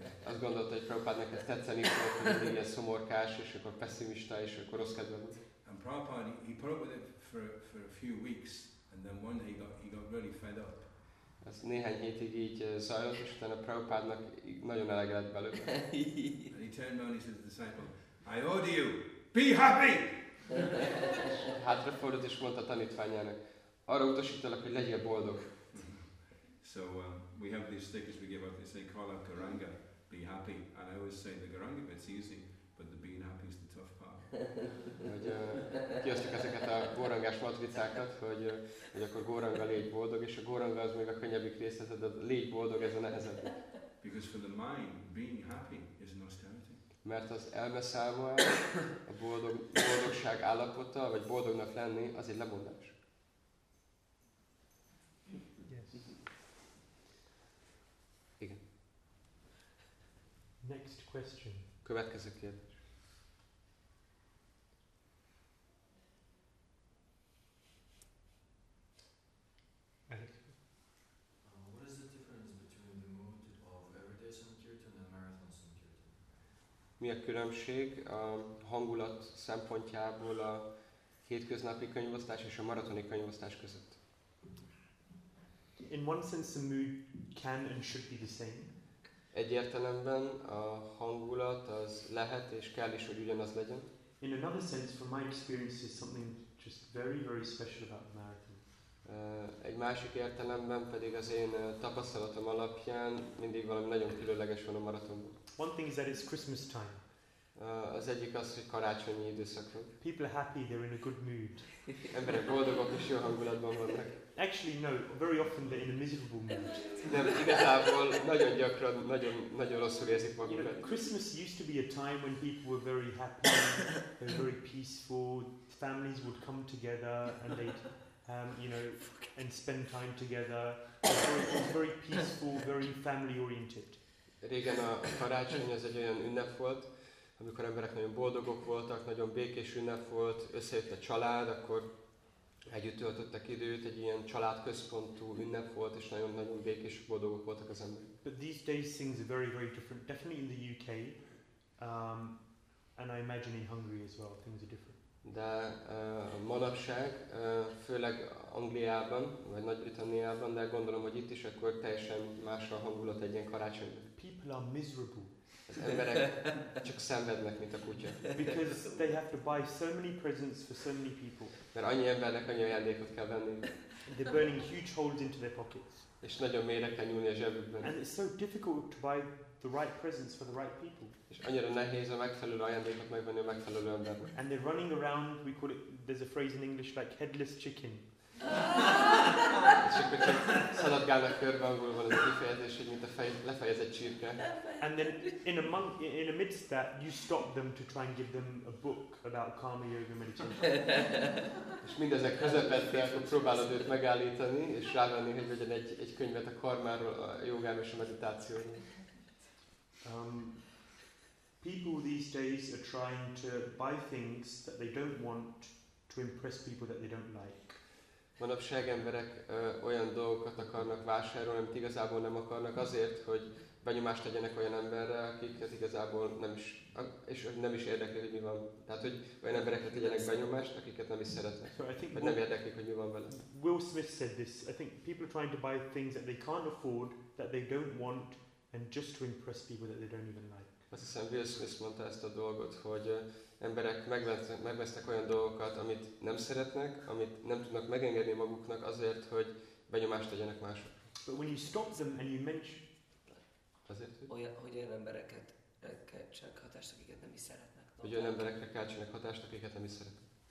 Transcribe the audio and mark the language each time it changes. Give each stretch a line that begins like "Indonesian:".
Hungarian: Azt gondolta, hogy Prabhupádnak ez tetszeni fog, hogy ilyen szomorkás, és akkor pessimista, és akkor rossz kedve volt.
English: And Prabhupada, he put up with it for a few weeks, and then one day he got really fed up.
Hungarian: Ez néhány hétig így zajlott, és utána Prabhupádnak nagyon elege lett belőle.
English: And he turned around and he said to the disciple, I order you, be happy!
Hungarian: Hátrafordult és mondta a tanítványának, arra utasítalak, hogy legyél boldog.
English: So we have these stickers we give out. They say call out Garanga, be happy. And I always say the Garanga bit's easy, but the being happy is the tough part.
Hungarian: Kiosztjuk ezeket a górangás matricákat, hogy akkor góranga légy boldog, és a góranga az még a könnyebbik része, de a légy boldog ez a nehezebb.
English: Because for the mind, being happy is an austerity.
Hungarian: Mert az elme számára a boldogság állapota, vagy boldognak lenni, az egy lemondás.
English: Next question.
Hungarian: Következő kérdés.
English: Eric. What is the difference between the mode of everyday sankirtan and marathon sankirtan?
Hungarian: Mi a különbség a hangulat szempontjából a hétköznapi könyvosztás és a maratoni könyvosztás között?
English: In one sense, the mood can and should be the same.
Hungarian: Egyértelemben a hangulat az lehet és kell is, hogy ugyanaz legyen.
English: In another sense, from my experience, is something just very, very special about the marathon.
Hungarian: Egy másik értelemben pedig az én tapasztalatom alapján mindig valami nagyon különleges van a maratonban.
English: One thing is that it's Christmas time.
Hungarian: Az egyik az, hogy karácsonyi időszakról.
English: People are happy, they're in a good mood.
Hungarian: Emberek boldogok és jó hangulatban vannak.
English: Actually, no, very often they're in a miserable mood.
Hungarian: Nem, igazából nagyon gyakran, nagyon, nagyon rosszul érzik magukat.
English: You know, Christmas used to be a time when people were very happy, they were very peaceful, families would come together and they'd, you know, and spend time together. It was very peaceful, very family-oriented.
Hungarian: Régen a karácsony az egy olyan ünnep volt, amikor emberek nagyon boldogok voltak, nagyon békés ünnep volt, összejött a család, akkor együtt töltöttek időt, egy ilyen családközpontú ünnep volt, és nagyon-nagyon békés, boldogok voltak az emberek.
English: But these days things are very, very different. Definitely in the UK, and I imagine in Hungary as well, things are different.
Hungarian: De manapság, főleg Angliában, vagy Nagy-Britanniában, de gondolom, hogy itt is akkor teljesen más a hangulat egy ilyen karácsony.
English: People are miserable.
Hungarian: Az emberek csak szenvednek, mint a kutya.
English: Because they have to buy so many presents for so many people.
Hungarian: Mert annyi embernek annyi ajándékot kell venni.
English: They're burning huge holes into their pockets.
Hungarian: És nagyon mélyre kell nyúlni a zsebükben.
English: And it's so difficult to buy the right presents for the right people.
Hungarian: És annyira nehéz a megfelelő ajándékot megvenni a megfelelő embernek.
English: And they're running around, we call it, there's a phrase in English like headless chicken.
Hungarian: És akkor csak szaladgálnak körben, ahol van ez a kifejezés, hogy mint a lefejezett csirke.
English: And then in amidst that, you stop them to try and give them a book about karma yoga meditation.
Hungarian: És mindezek közepette, akkor próbálod őt megállítani, és rávenni, hogy vegyen egy könyvet a karmáról, a jogáról és a meditációról.
English: People these days are trying to buy things that they don't want to impress people that they don't like.
Hungarian: Manapság emberek olyan dolgokat akarnak vásárolni, amit igazából nem akarnak, azért, hogy benyomást tegyenek olyan emberre, akiket igazából nem is, és nem is érdekli, hogy mi van. Tehát, hogy olyan emberekre tegyenek benyomást, akiket nem is szeretnek, vagy nem érdekli, hogy mi van vele.
English: Will Smith said this, I think people are trying to buy things that they can't afford, that they don't want, and just to impress people that they don't even like.
Hungarian: Azt hiszem, Will Smith mondta ezt a dolgot, hogy emberek megvesznek olyan dolgokat, amit nem szeretnek, amit nem tudnak megengedni maguknak azért, hogy benyomást tegyenek mások.
English: But when you stop them and you mention...
Hungarian: Azért, hogy olyan embereket keltsenek hatást, akiket nem is szeretnek. Hogy olyan emberekre keltsenek hatást, akiket nem is szeretnek.